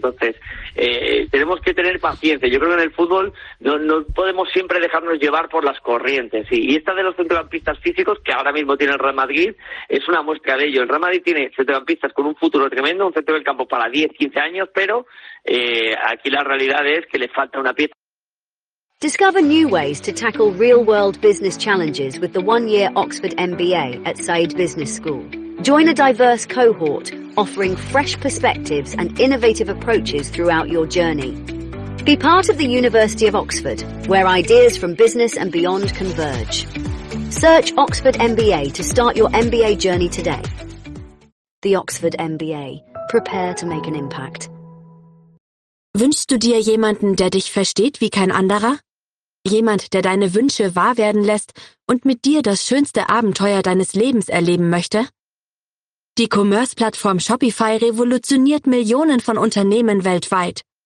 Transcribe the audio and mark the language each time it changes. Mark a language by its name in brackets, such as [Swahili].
[Spanish] Entonces, tenemos que tener paciencia. Yo creo que en el fútbol no podemos siempre dejarnos llevar por las corrientes. Y esta de los centrocampistas físicos, que ahora mismo tiene el Real Madrid, es una muestra de ello. El Real Madrid tiene centrocampistas con un futuro tremendo, un centro del campo para 10, 15 años, pero aquí la realidad es que le falta una pieza. [English] Discover new ways to tackle real-world business challenges with the one-year Oxford MBA at Said Business School. Join a diverse cohort offering fresh perspectives and innovative approaches throughout your journey. Be part of the University of Oxford, where ideas from business and beyond converge. Search Oxford MBA to start your MBA journey today. The Oxford MBA. Prepare to make an impact. [German] Wünschst du dir jemanden, der dich versteht wie kein anderer? Jemand, der deine Wünsche wahr werden lässt und mit dir das schönste Abenteuer deines Lebens erleben möchte? Die Commerce-Plattform Shopify revolutioniert Millionen von Unternehmen weltweit.